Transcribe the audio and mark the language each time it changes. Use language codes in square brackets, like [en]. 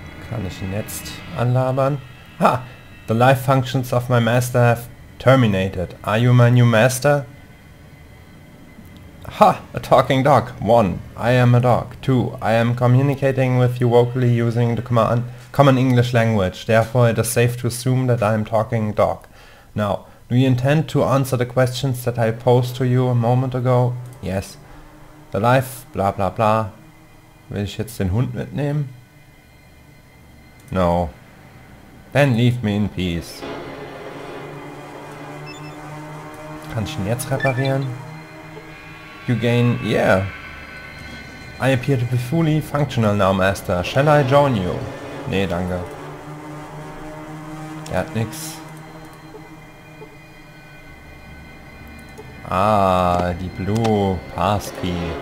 [de] Kann ich ihn jetzt anlabern? Ha! [en] The life functions of my master have terminated. Are you my new master? Ha! A talking dog. 1. I am a dog. 2. I am communicating with you vocally using the common English language. Therefore, it is safe to assume that I am talking dog. Now, do you intend to answer the questions that I posed to you a moment ago? Yes. The life... Bla bla bla. [de] Will ich jetzt den Hund mitnehmen? [en] No. Then leave me in peace. [de] Kann ich ihn jetzt reparieren? [en] You gain... Yeah. I appear to be fully functional now, Master. Shall I join you? [de] Nee, danke. Er hat nix. Ah, die Blue Passkey.